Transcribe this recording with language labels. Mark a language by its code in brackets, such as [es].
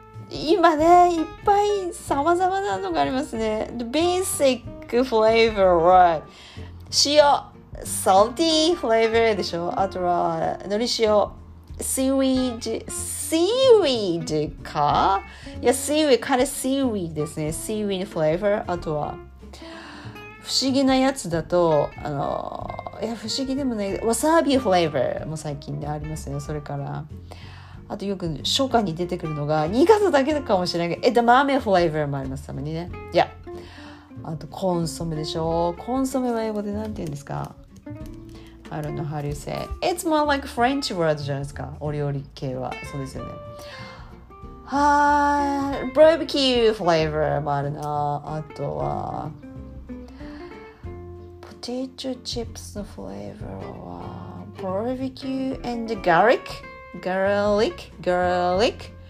[ja] 今ね、いっぱいさまざまなのがありますね。 [en] The basic flavor [ja] は塩、 [en] salty flavor [ja] でしょ。あとは海苔塩、seaweed か、いや seaweed、かれ seaweed ですね。 [en] seaweed flavor。 [ja] あとは不思議なやつだと、いや不思議でもない、わさび flavor も最近でありますね。それから。あとよく初夏に出てくるのが新潟だけかもしれないけど、枝豆フレーバーもありますたまにね。いや、あとコンソメでしょ。コンソメは英語でなんて言うんですか。 [en] I don't know how do you say it's more like French word [ja] じゃないですか。お料理系はそうですよね。はい、バーベキューフレーバーもあるな。あとはポテトチップスのフレーバーはバーベキュー [en] and garlicGarlic.